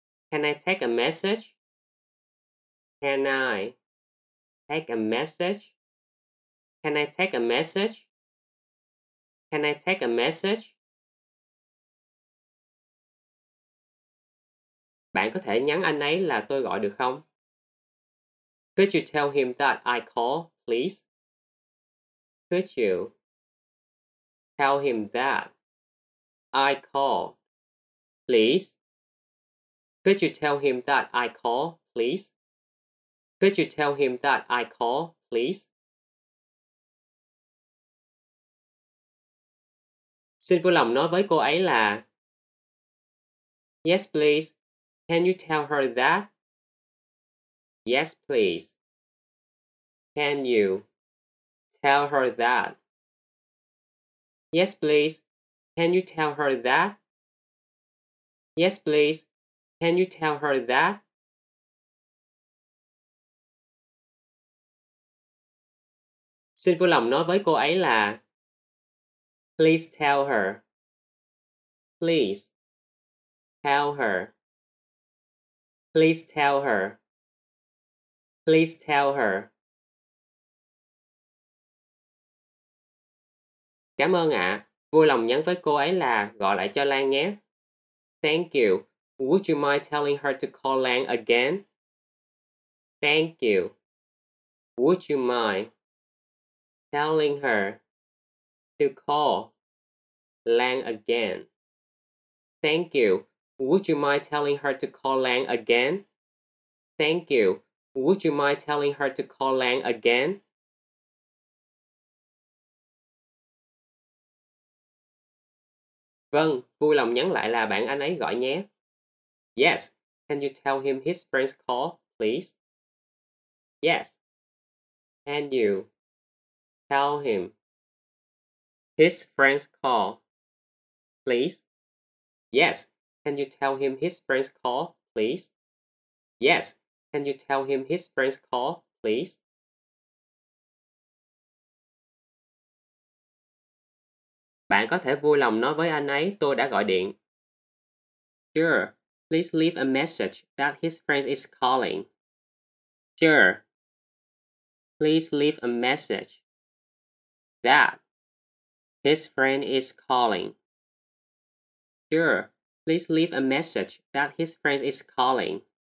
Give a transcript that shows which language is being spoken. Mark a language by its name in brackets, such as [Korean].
[English] Can I take a message? Can I take a message? Can I take a message? Can I take a message? [Vietnamese] Bạn có thể nhắn anh ấy là tôi gọi được không? [English] Could you tell him that I call, please? Could you tell him that I call, please? Could you tell him that I call, please? Could you tell him that I call, please? [Vietnamese] Xin vui lòng nói với cô ấy là [English] Yes, please. Can you tell her that? Yes, please. Can you tell her that? Yes, please. Can you tell her that? Yes, please. Can you tell her that? [Vietnamese] Xin vui lòng nói với cô ấy là [English] Please tell her. Please tell her. Please tell her. Please tell her. [Vietnamese] Cảm ơn ạ. Vui lòng nhắn với cô ấy là gọi lại cho Lan nhé. [English] Thank you. Would you mind telling her to call Lan again? Thank you. Would you mind telling her to call Lan again? Thank you. Would you mind telling her to call Lan again? Thank you. Would you mind telling her to call Lan again? [Vietnamese] Vâng, vui lòng nhắn lại là bạn anh ấy gọi nhé. [English] Yes, can you tell him his friend's call, please? Yes, can you tell him his friend's call, please? Yes, can you tell him his friend's call, please? Yes, can you tell him his friend's call, please? [Vietnamese] Bạn có thể vui lòng nói với anh ấy tôi đã gọi điện. [English] Sure, please leave a message that his friend is calling. Sure, please leave a message that his friend is calling. Sure, please leave a message that his friend is calling.